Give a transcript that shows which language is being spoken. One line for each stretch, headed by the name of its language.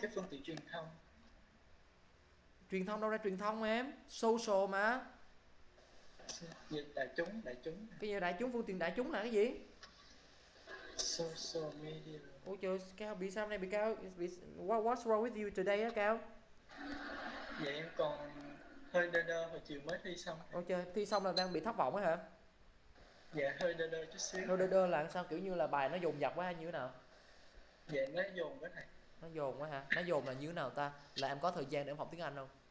Vietnamese: cái phương tiện truyền thông. Truyền thông đâu ra truyền thông em?
English: Social mà.
Vietnamese: Đại chúng. Cái gì đại chúng, phương tiện đại chúng là cái gì?
English: Social media.
Vietnamese: Ủa trời, Cao bị sao này bị Cao?
English: What's wrong with you today á Cao?
Vietnamese: Vậy em còn hơi đơ đơ hồi chiều mới thi xong thầy. Ôi trời, thi xong là đang bị thất vọng ấy hả? Dạ hơi đơ đơ chút xíu Nó thầy. đơ đơ là sao, kiểu như là bài nó dồn dập quá hay như thế nào? Dạ nó dồn quá thầy. Nó dồn quá hả? Nó dồn là như thế nào ta? Là em có thời gian để em học tiếng Anh không?